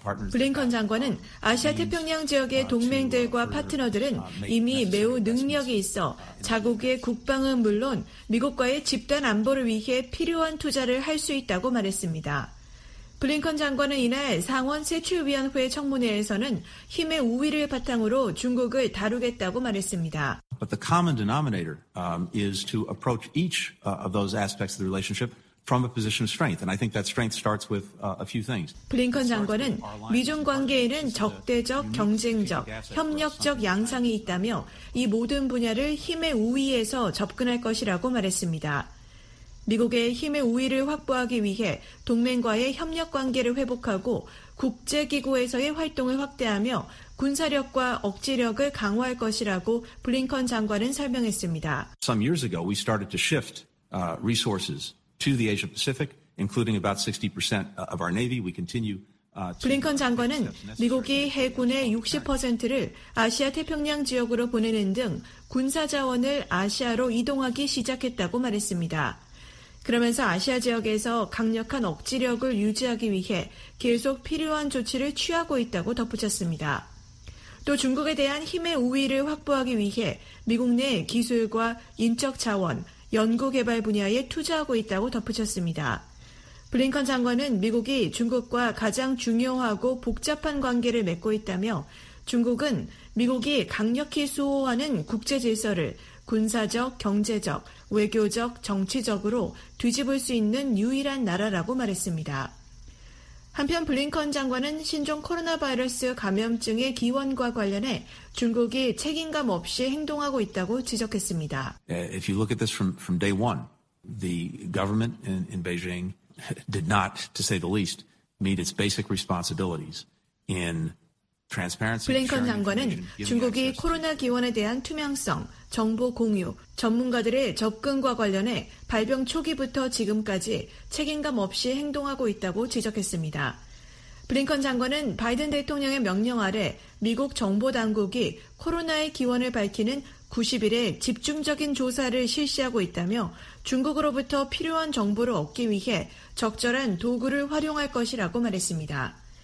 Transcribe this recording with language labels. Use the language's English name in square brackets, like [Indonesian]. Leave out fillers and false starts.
[Korean] 블링컨 장관은 아시아 태평양 지역의 동맹들과 파트너들은 이미 매우 능력이 있어 자국의 국방은 물론 미국과의 집단 안보를 위해 필요한 투자를 할 수 있다고 말했습니다. 블링컨 장관은 이날 상원 세출위원회 청문회에서는 힘의 우위를 바탕으로 중국을 다루겠다고 말했습니다. [English] But the common denominator is to approach each of those aspects of the relationship. From a position of strength, and I think that strength starts with a few things. [Korean] 블링컨 장관은 미중 관계에는 적대적, 경쟁적, 협력적 양상이 있다며 이 모든 분야를 힘의 우위에서 접근할 것이라고 말했습니다. 미국의 힘의 우위를 확보하기 위해 동맹과의 협력 관계를 회복하고 국제 기구에서의 활동을 확대하며 군사력과 억지력을 강화할 것이라고 블링컨 장관은 설명했습니다. [English] Some years ago, we started to shift resources. To the Asia Pacific, including about 60% of our Navy, we continue. [Korean] 블링컨 장관은 미국이 해군의 60%를 아시아 태평양 지역으로 보내는 등 군사 자원을 아시아로 이동하기 시작했다고 말했습니다. 그러면서 아시아 지역에서 강력한 억지력을 유지하기 위해 계속 필요한 조치를 취하고 있다고 덧붙였습니다. 또 중국에 대한 힘의 우위를 확보하기 위해 미국 내 기술과 인적 자원, 연구개발 분야에 투자하고 있다고 덧붙였습니다. 블링컨 장관은 미국이 중국과 가장 중요하고 복잡한 관계를 맺고 있다며 중국은 미국이 강력히 수호하는 국제질서를 군사적, 경제적, 외교적, 정치적으로 뒤집을 수 있는 유일한 나라라고 말했습니다. 한편 블링컨 장관은 신종 코로나 바이러스 감염증의 기원과 관련해 중국이 책임감 없이 행동하고 있다고 지적했습니다. [English] If you look at this from day one, the government in Beijing did not, to say the least, meet its basic responsibilities in [Korean] 블링컨 장관은 중국이 코로나 기원에 대한 투명성, 정보 공유, 전문가들의 접근과 관련해 발병 초기부터 지금까지 책임감 없이 행동하고 있다고 지적했습니다. 블링컨 장관은 바이든 대통령의 명령 아래 미국 정보당국이 코로나의 기원을 밝히는 90일에 집중적인 조사를 실시하고 있다며 중국으로부터 필요한 정보를 얻기 위해 적절한 도구를 활용할 것이라고 말했습니다.